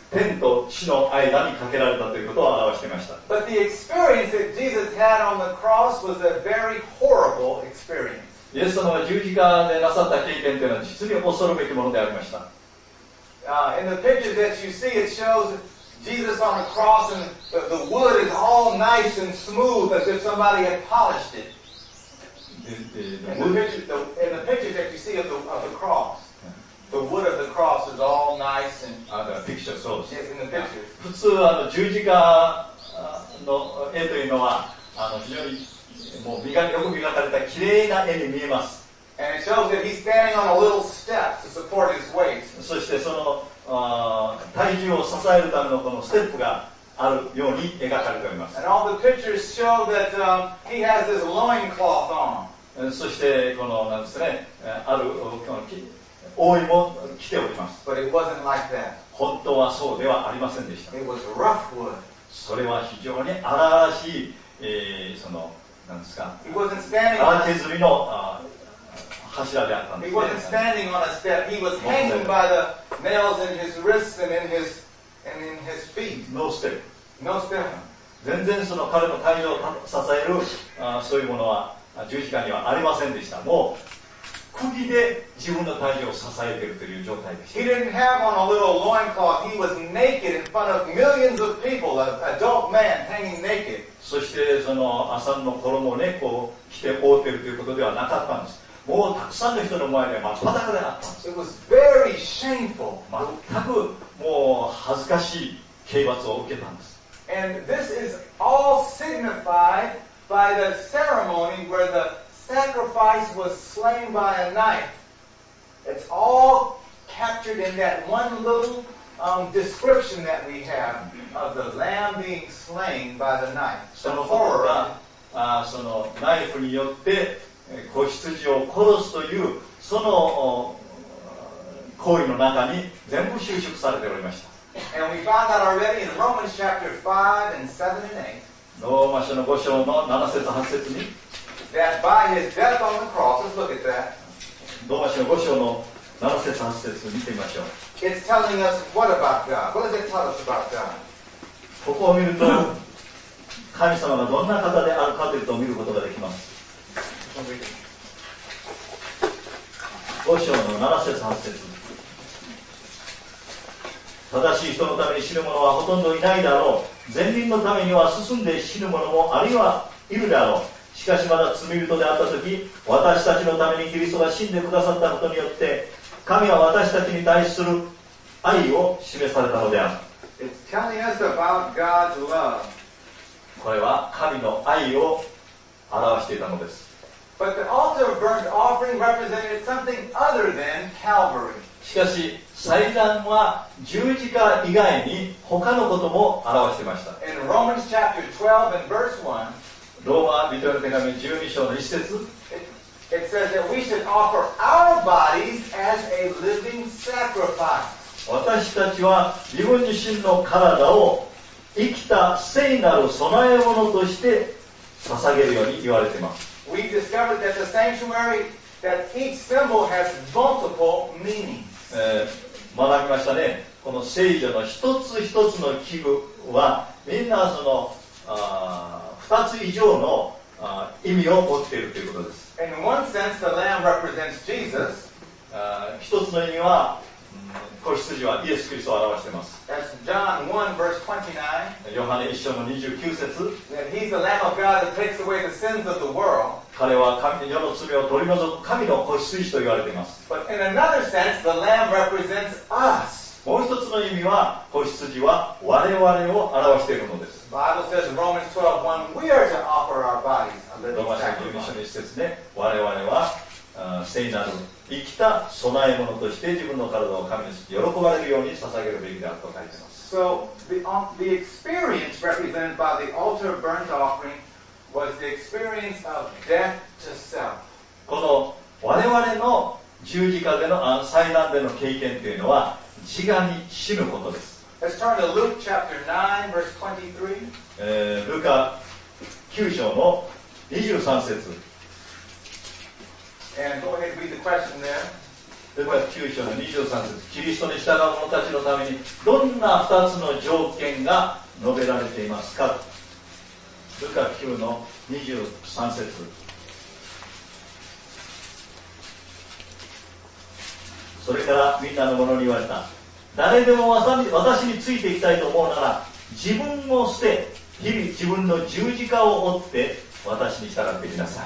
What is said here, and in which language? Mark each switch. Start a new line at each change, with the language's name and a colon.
Japanese: 天と地の間にかけられたということを表していました。
English: But the experience that Jesus had on the cross was a very horrible experience.
Japanese: イエス様が十字架でなさった経験というのは実に恐るべきものでありました。
English: In the picture that you see, it shows Jesus on the cross, and the wood is all nice and smooth, as if somebody had polished it. In the picture that you see of the cross, the wood of the cross is all nice and. Picture, so. Yes, in the picture.
Japanese: 普通十字架の絵というのは非常に。もうよく磨かれた綺麗な絵に見えます。
English: And it shows that he's standing on a little step to support his weight.
Japanese: そしてその体重を支えるためのこのステップがあるように描かれております。
English: And all the pictures show that he has his loincloth on.
Japanese: そしてこのなんですね、ある覆いも着ております。
English: But it wasn't like that.
Japanese: 本当はそうではありませんでした。
English: It was rough wood.
Japanese: それは非常に荒々しい、その
English: He wasn't standing on a step.
Japanese: 削りの柱であったんですね。
English: He wasn't standing on a step. He was hanging by the nails in his wrists and in his feet. No step. No step.
Japanese: 全然その彼の体重を支えるそういうものは十字架にはありませんでした。もう釘で自分の体重を支えているという状態でした。
English: He didn't have on a little loincloth. He was naked in front of millions of people, an adult man hanging naked.
Japanese: そしてその麻の衣をねこう着て覆っているということではなかったんです。もうたくさんの人の前で真っ裸であったんです。
English: It was very shameful.
Japanese: 全くもう恥ずかしい刑罰を受けたんです。
English: And this is all signified by the ceremony where the sacrifice was slain by a knife. It's all captured in that one little. Description that we have of the lamb being slain by the knife.
Japanese: その方が、そのナイフによって子羊を殺すというその行為の中に全部収束されておりました。
English: And we found that already in Romans chapter 5 and 7 and 8.
Japanese: ローマ書の5章の7節8節に。
English: That by his death on the cross, let's look at that.
Japanese: ローマ書の5章の7節8節を見てみましょう。
English: It's telling us what about God? What does it tell us about God?
Japanese: ここを見ると、神様がどんな方であるかというと見ることができます。 5章の7節8節。正しい人のために死ぬ者はほとんどいないだろう。善人のためには進んで死ぬ者もあるいはいるだろう。しかしまだ罪人であったとき、私たちのためにキリストが死んでくださったことによって、神は私たちに対する愛を示されたのである。
English: It's telling us about God's love.
Japanese: これは神の愛を表していたのです。
English: But the altar of burnt offering represented something other than Calvary.
Japanese: しかし、祭壇は十字架以外に他のことも表していました。
English: In Romans chapter 12 and verse 1,
Japanese: ローマ人への手紙12章の1節。
English: It says that we should offer our bodies as a living sacrifice.
Japanese: 私たちは自分自身の体を生きた聖なる供え物として捧げるように言われています。
English: We discovered that the sanctuary, that each symbol has multiple meanings.
Japanese: 学びましたね。この聖所の一つ一つの器具はみんなその二つ以上の意味を持っているということです。
English: In one sense, the lamb represents Jesus.
Japanese: 一つの意味は、子羊はイエス・キリストを表しています。
English: That's John 1 verse 29.
Japanese: ヨハネ1章の29節。
English: That he's the Lamb of God that takes away the sins of the world.
Japanese: 彼は神の世の罪を取り除く神の子羊と言われています。
English: But in another sense, the Lamb represents us.
Japanese: もう一つの意味は、子羊は我々を表しているのです。
English: The Bible says in Romans 12:1, we are to offer our bodies a living sacrifice.
Japanese: ローマ書の一節ね、我々は聖なる生きた供え物として自分の体を神に喜ばれるように捧げるべきであると書いています。
English: So the experience represented by the altar burnt offering was the experience of death to self.
Japanese: この我々の十字架での祭壇での経験というのは、自我に死ぬことです。
English: Let's turn to Luke chapter 9, verse 23.
Japanese: ルカ9章の23節。
English: And go ahead and read the question there.
Japanese: ルカ9章の23節。キリストに従う者たちのために、どんな2つの条件が述べられていますか？ルカ9の23節。それからみんなの者に言われた。誰でも私についていきたいと思うなら、自分を捨て、日々自分の十字架を追って、私に従ってきなさい。